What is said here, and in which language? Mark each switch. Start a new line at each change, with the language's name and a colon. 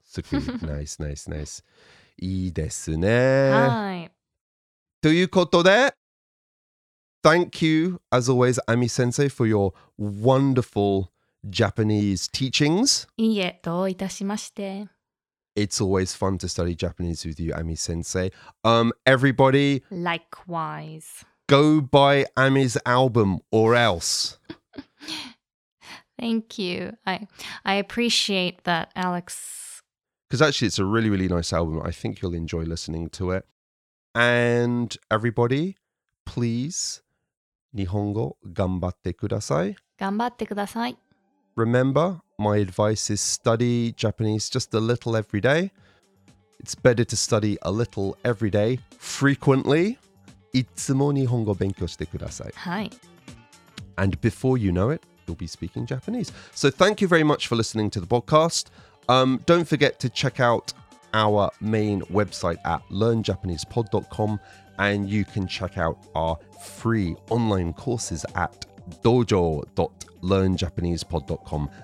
Japanese: すっきりナイスナイスナイス、いいですね、はい、ということで
English: Thank you as always Ami sensei for your wonderful Japanese teachings。
Japanese: いいえどういたしまして。
English: It's always fun to study Japanese with you, Ami-sensei. Everybody... Likewise. Go buy Ami's album or else. Thank you. I appreciate that, Alex. Because actually it's a really, really nice album. I think you'll enjoy listening to it. And everybody, please,
Japanese: Nihongo, ganbatte kudasai. Ganbatte kudasai.
English: Remember... My advice is study Japanese just a little every day. It's better to study a little every day, frequently.
Japanese: いつも日本語勉強してください。はい。
English: And before you know it, you'll be speaking Japanese. So thank you very much for listening to the podcast. Don't forget to check out our main website at learnjapanesepod.com and you can check out our free online courses at dojo.learnjapanesepod.com.